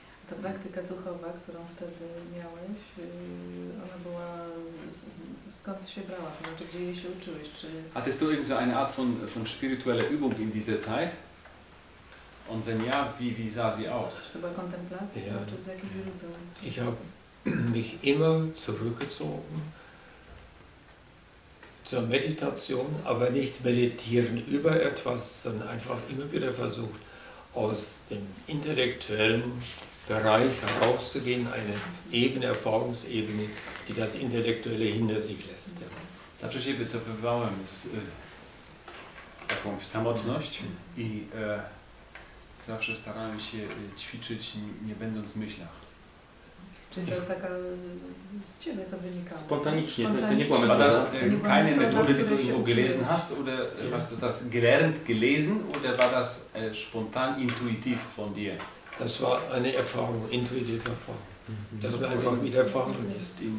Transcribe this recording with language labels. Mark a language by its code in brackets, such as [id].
[pl] Ta praktyka duchowa, którą wtedy miałeś, ona była, skąd się brała, to znaczy gdzie jej się uczyłeś, czy... [de] Hattest du irgend so eine Art von spirituelle Übung in dieser Zeit? Und wenn ja, wie sah sie aus? [pl] Chyba kontemplacja, ja. Czy z jakich źródeł? [de] Ich habe mich immer zurückgezogen zur Meditation, aber nicht meditieren über etwas, sondern einfach immer wieder versucht, aus dem intellektuellen Bereich herauszugehen, eine Ebene, Erfahrungsebene, die das Intellektuelle hinter sich lässt. [pl] Zawsze się wycofywałem z taką samotność i zawsze starałem się ćwiczyć, nie będąc w myślach. Czyli to taka z ciebie to wynikało? Spontanicznie, to nie była metoda. [de] Keine Methode, die du irgendwo gelesen hast, oder hast du das gelernt, gelesen, oder war das spontan, intuitiv von dir? Das war eine Erfahrung, intuitive Erfahrung. Das war einfach wie der Erfahrung ist.